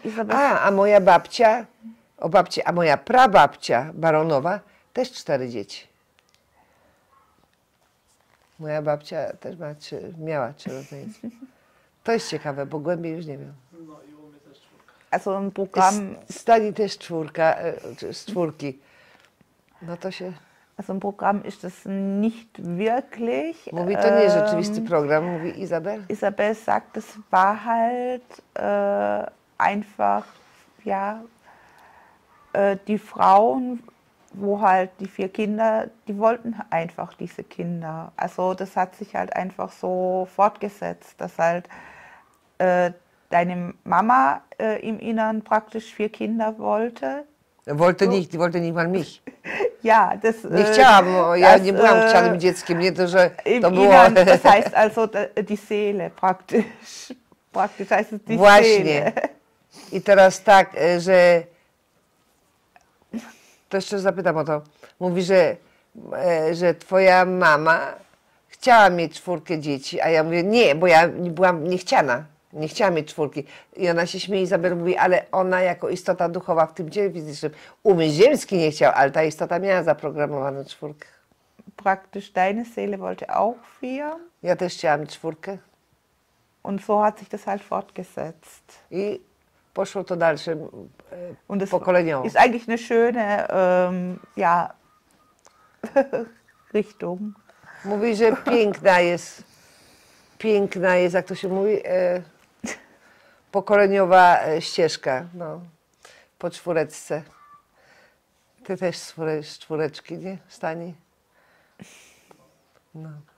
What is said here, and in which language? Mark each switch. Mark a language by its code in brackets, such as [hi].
[pl] a moja babcia, o babcie, a moja prababcia baronowa też 4 dzieci. Moja babcia też ma, czy, miała 3 rodzeństwa. To jest ciekawe, bo głębiej już nie wiem. No i u mnie też czwórka. Stani też czwórka, z czwórki. No to się. [de] Also ein Programm ist das nicht wirklich. [pl] Mówi, to nie jest rzeczywisty program, mówi Isabel. [de] Isabel sagt, es war halt einfach, ja, die Frauen, wo halt die 4 Kinder, die wollten einfach diese Kinder. Also das hat sich halt einfach so fortgesetzt, dass halt deine Mama im Inneren praktisch 4 Kinder wollte. Wollte so. Nicht, die wollte nicht mal mich. Ja, das, [pl] nie chciałam, ja das, nie byłam chcianym dzieckiem, nie to, że to było. [de] Das heißt also die Seele praktisch. Praktisch heißt es die Seele. [pl] Właśnie. I teraz tak, że to jeszcze zapytam o to. Mówi, że twoja mama chciała mieć 4 dzieci, a ja mówię nie, bo ja nie byłam niechciana. Nie chciała mieć 4. I ona się śmieje, Izabel mówi, ale ona jako istota duchowa w tym ciele fizycznym, umysł ziemski nie chciał, ale ta istota miała zaprogramowane 4. [de] Praktisch deine Seele wollte auch 4. [pl] Ja też chciałam 4. [de] Und so hat sich das halt fortgesetzt. [pl] I poszło to dalsze pokoleniowo. [de] Ist eigentlich eine schöne, ja, Richtung. [pl] Mówi, że piękna jest. Piękna jest, jak to się mówi, pokoleniowa ścieżka, no, po czwóreczce. Ty też z czwóreczki, nie, Stani? No.